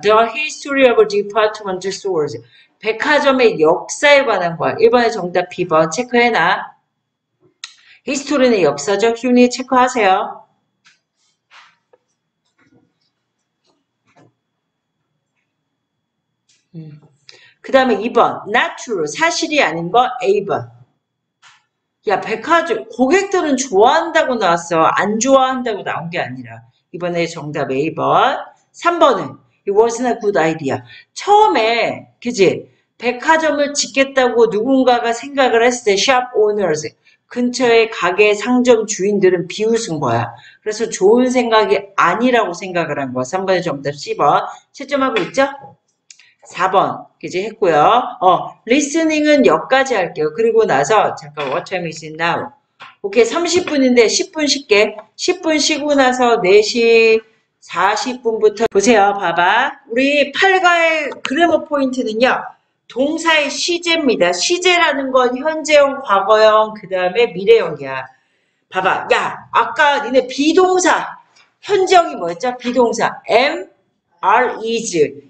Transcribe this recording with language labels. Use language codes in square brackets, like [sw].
[en] The history of department stores. [ko] 백화점의 역사에 관한 거야. 1번의 정답 2번 체크해놔. 히스토리는 역사적 흉내 체크하세요. 그 다음에 2번. [en] Not true. [ko] 사실이 아닌 거. A번. 야, 백화점. 고객들은 좋아한다고 나왔어. 안 좋아한다고 나온 게 아니라. 이번에 정답 A번. 3번은. [en] It wasn't a good idea. [ko] 처음에, 그지? 백화점을 짓겠다고 누군가가 생각을 했을 때, [en] shop owners. [ko] 근처에 가게 상점 주인들은 비웃은 거야. 그래서 좋은 생각이 아니라고 생각을 한 거야. 3번의 정답 C번. 채점하고 있죠? 4번, 이제 했고요. Listening은 여기까지 할게요. 그리고 나서, 잠깐, [en] what time is it now? [ko] 오케이, 30분인데, 10분 쉴게. 10분 쉬고 나서, 4시 40분부터, 보세요, 봐봐. 우리 8과의 그래머 포인트는요, 동사의 시제입니다. 시제라는 건 현재형, 과거형, 그 다음에 미래형이야. 봐봐. 야, 아까 니네 비동사. 현재형이 뭐였죠? 비동사. M? are, is.